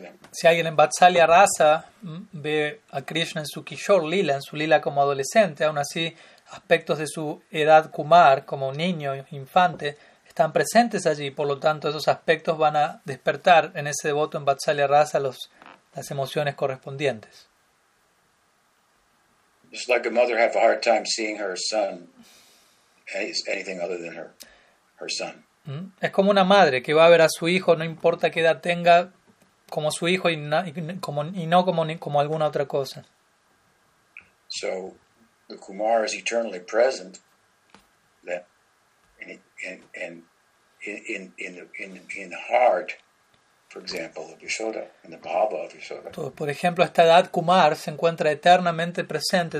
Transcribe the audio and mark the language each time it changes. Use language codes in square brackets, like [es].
[es] Si alguien en Vatsalya Rasa ve a Krishna en su Kishore Lila, en su Lila como adolescente, aún así aspectos de su edad Kumar, como niño, infante, están presentes allí. Por lo tanto, esos aspectos van a despertar en ese devoto en Vatsalya Rasa las emociones correspondientes. [en] It's like a mother have a hard time seeing her son as anything other than her son. [es] Es como una madre que va a ver a su hijo, no importa qué edad tenga, como su hijo y no como alguna otra cosa. [en] So the Kumar is eternally present in the heart, for example, of Yashoda, in the bhava of Yashoda. [es] Por ejemplo, esta edad Kumar se encuentra eternamente presente.